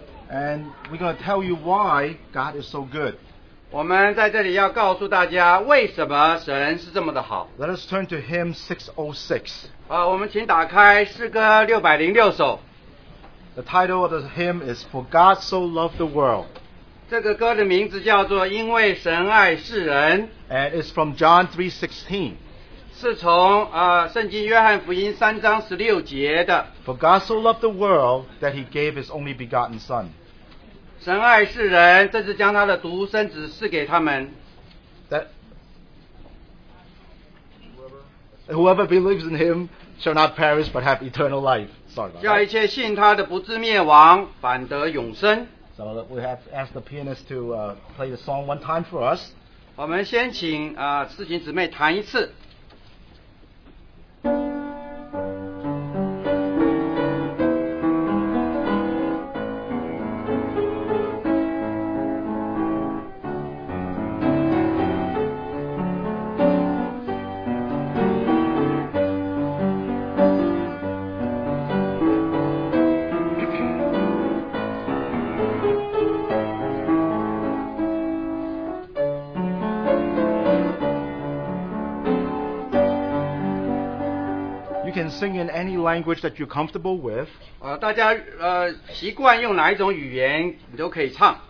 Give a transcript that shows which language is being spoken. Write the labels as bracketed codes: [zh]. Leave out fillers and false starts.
[en] And we're going to tell you why God is so good. [zh] 我们在这里要告诉大家为什么神是这么的好。 [en] Let us turn to hymn 606. [zh] 我们请打开诗歌606首。 [en] The title of the hymn is For God So Loved the World. [zh] 这个歌的名字叫做因为神爱世人。 [en] And it's from John 3:16. [zh] 是从圣经约翰福音三章十六节的。 [en] For God so loved the world that he gave his only begotten son. [zh] 神爱世人，甚至将他的独生子赐给他们。 [en] That whoever believes in him shall not perish but have eternal life. Sorry about that. [zh] 叫一切信他的不至灭亡，反得永生。 [en] So we have asked the pianist to play the song one time for us. [zh] 我们先请四旬姊妹弹一次。 [en] Sing in any language that you're comfortable with. [zh] 大家习惯用哪一种语言，你都可以唱。